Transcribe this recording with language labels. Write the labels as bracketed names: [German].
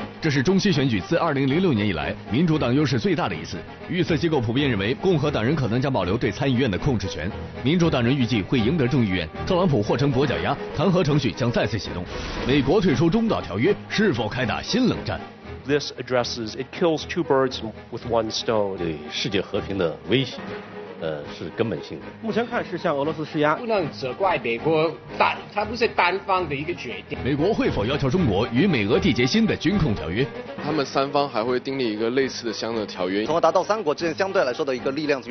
[Chinese] 这是中期选举自2006年以来民主党优势最大的一次。预测机构普遍认为，共和党人可能将保留对参议院的控制权，民主党人预计会赢得众议院。特朗普或成跛脚鸭，弹劾程序将再次启动。美国退出中导条约，是否开打新冷战？ [English] This addresses it kills two birds with one stone. [Chinese] 对世界和平的威胁，是根本性的。目前看是向俄罗斯施压，不能责怪美国单，它不是单方的一个决定。美国会否要求中国与美俄缔结新的军控条约？他们三方还会订立一个类似的相应的条约，从而达到三国之间相对来说的一个力量。